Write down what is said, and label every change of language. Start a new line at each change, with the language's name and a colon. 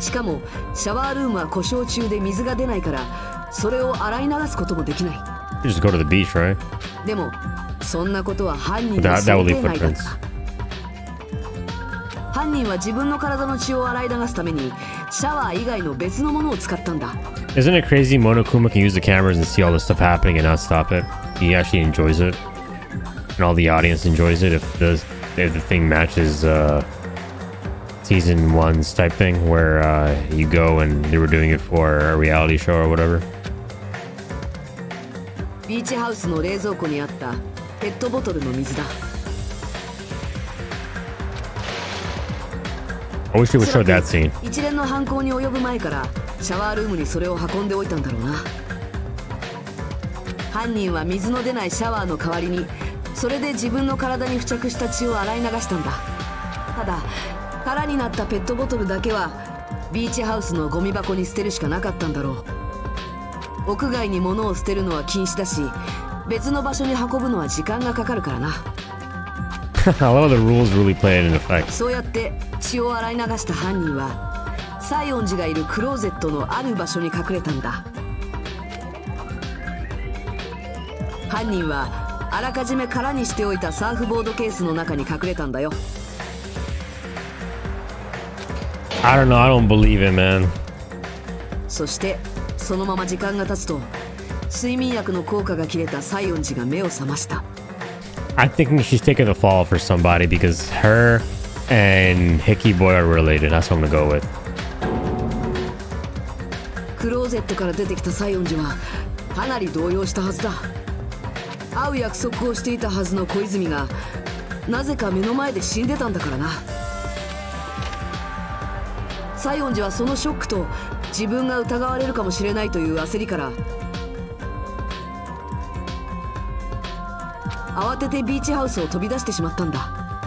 Japanese: しかもシャワールームは故障中で水が出ないから、それを洗い流すこともできない。
English: You just go to the beach, right?
Japanese: でもそんなことは犯人の想定内だった。犯人は自分の体の血を洗い流すためにシャワー以外の別のものを使ったんだ。
English: Isn't it crazy Monokuma can use the cameras and see all this stuff happening and not stop it? He actually enjoys itAnd all the audience enjoys it if the thing matches season one's type thing where you go and they were doing it for a reality show or whatever.
Japanese: Beach house の冷蔵庫にあったペットボトルの水だ。
English: I wish it would show that scene.
Japanese: 一連の犯行に及ぶ前からシャワールームにそれを運んでおいたんだろうな。犯人は水の出ないシャワーの代わりにそれで自分の体に付着した血を洗い流したんだ。ただ空になったペットボトルだけはビーチハウスのゴミ箱に捨てるしかなかったんだろう。屋外に物を捨てるのは禁止だし、別の場所に運ぶのは時間がかかるからな。
English: A lot of the rules really play in effect.
Japanese: そうやって血を洗い流した犯人は、西園寺がいるクローゼットのある場所に隠れたんだ。犯人はあらかじめ空にしておいたサーフボードケースの中に隠れたんだよ。
English: I don't know, I don't believe it, man.
Japanese: そしてそのまま時間が経つと、睡眠薬の効果が切れた西園寺が目を覚ました。
English: I think she's taking a fall for somebody because her and Hickey boy are related. That's what I'm gonna go with.
Japanese: クローゼットから出てきた西園寺はかなり動揺したはずだ。会う約束をしていたはずの小泉がなぜか目の前で死んでたんだからな。西園寺はそのショックと自分が疑われるかもしれないという焦りから慌ててビーチハウスを飛び出してしまったんだ。